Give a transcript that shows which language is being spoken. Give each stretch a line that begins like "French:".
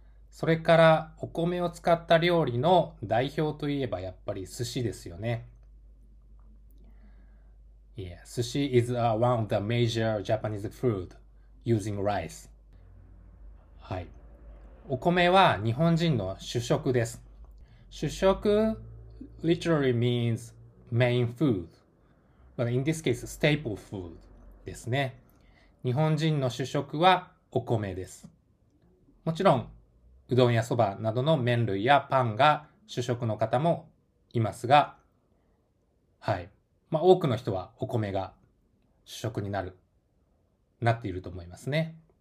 Japanese: それからお米を使った料理の代表といえばやっぱり寿司ですよね。
English: Yeah, sushi is one of the major Japanese food using rice.
Japanese: はい。お米は日本人の主食です。
English: 主食 literally means main food, but in this case, staple food
Japanese: ですね。日本人の主食はお米です。もちろん、うどんやそばなどの麺類やパンが主食の方もいますが、はい。まあ、多くの人はお米が主食になる、なっていると思いますね。